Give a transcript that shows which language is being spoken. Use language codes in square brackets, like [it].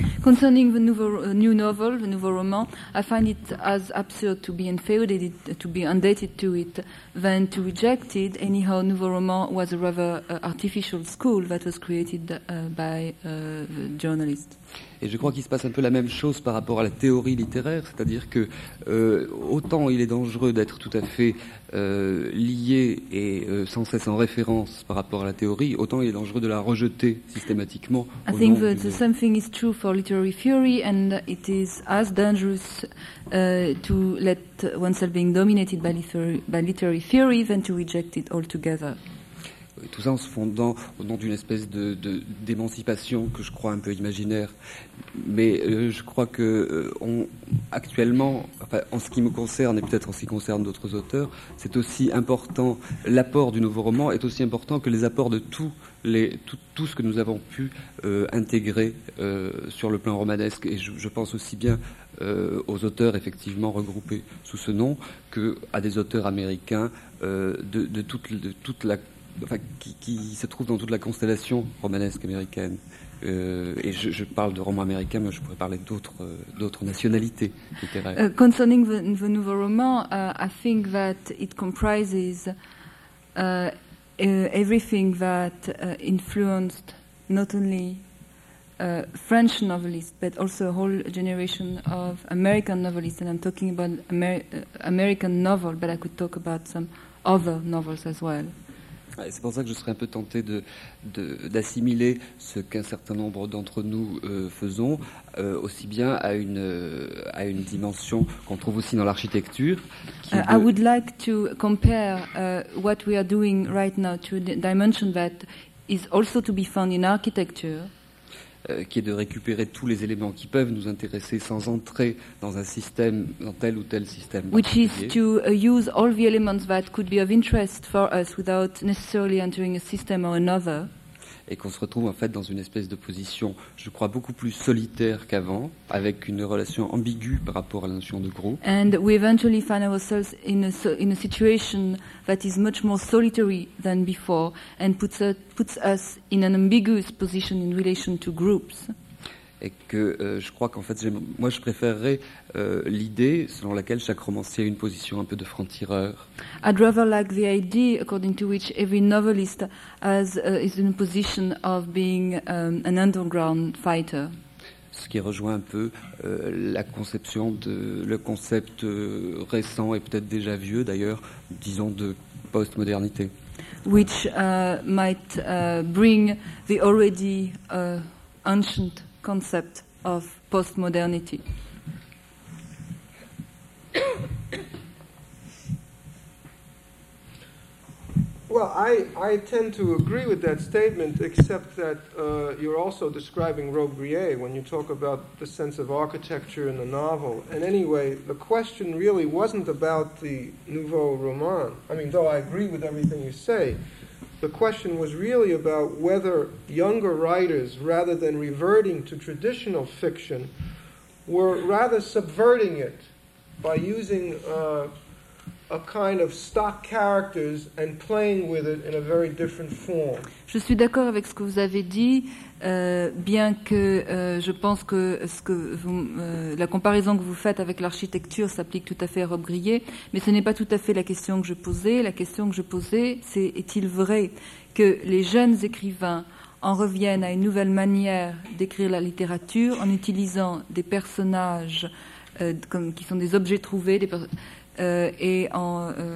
[en] Concerning the new novel, the nouveau roman, I find it as absurd to be inferior, to be indebted to it, than to reject it. Anyhow, nouveau roman was a rather artificial school that was created by the journalist. [fr] Et je crois qu'il se passe un peu la même chose par rapport à la théorie littéraire, c'est-à-dire que autant il est dangereux d'être tout à fait lié et sans cesse en référence par rapport à la théorie, autant il est dangereux de la rejeter systématiquement. [en] I think that the same thing is true for literary theory, and it is as dangerous to let oneself being dominated by literary theory than to reject it altogether. [fr] Tout ça en se fondant au nom d'une espèce d'émancipation que je crois un peu imaginaire. Mais je crois que en ce qui me concerne et peut-être en ce qui concerne d'autres auteurs, c'est aussi important, l'apport du nouveau roman est aussi important que les apports de tout ce que nous avons pu intégrer sur le plan romanesque. Et je pense aussi bien aux auteurs effectivement regroupés sous ce nom qu'à des auteurs américains qui se trouve dans toute la constellation romanesque américaine. Et je parle de romans américains, mais je pourrais parler d'autres nationalités littéraires. [en] Concerning the nouveau roman, I think that it comprises everything that influenced not only French novelists, but also a whole generation of American novelists. And I'm talking about American novel, but I could talk about some other novels as well. [fr] C'est pour ça que je serais un peu tenté d'assimiler ce qu'un certain nombre d'entre nous faisons, aussi bien à une dimension qu'on trouve aussi dans l'architecture. [en] I would like to compare what we are doing right now to the dimension that is also to be found in architecture. [fr] Qui est de récupérer tous les éléments qui peuvent nous intéresser sans entrer dans un système, dans tel ou tel système. [en] Which is to use all the elements that could be of interest for us without necessarily entering a system or another. [fr] Et qu'on se retrouve en fait dans une espèce de position, je crois, beaucoup plus solitaire qu'avant, avec une relation ambiguë par rapport à la notion de groupe. [en] And we eventually find ourselves in a situation that is much more solitary than before, and puts us in an ambiguous position in relation to groups. [fr] et que je crois qu'en fait, moi, je préférerais l'idée selon laquelle chaque romancier a une position un peu de franc-tireur. [en] I'd rather like the idea according to which every novelist has is in a position of being an underground fighter. [fr] Ce qui rejoint un peu la conception de le concept récent et peut-être déjà vieux d'ailleurs, disons de postmodernité. [en] Which might bring the already ancient concept of postmodernity. Well, I tend to agree with that statement, except that you're also describing Robrier when you talk about the sense of architecture in the novel. And anyway, the question really wasn't about the nouveau roman. I mean, though I agree with everything you say, the question was really about whether younger writers, rather than reverting to traditional fiction, were rather subverting it by using a kind of stock characters and playing with it in a very different form. [fr] Je suis d'accord avec ce que vous avez dit, bien que je pense que ce que vous, la comparaison que vous faites avec l'architecture s'applique tout à fait à Rob Grier, mais ce n'est pas tout à fait la question que je posais. La question que je posais, c'est est-il vrai que les jeunes écrivains en reviennent à une nouvelle manière d'écrire la littérature en utilisant des personnages comme qui sont des objets trouvés, des et en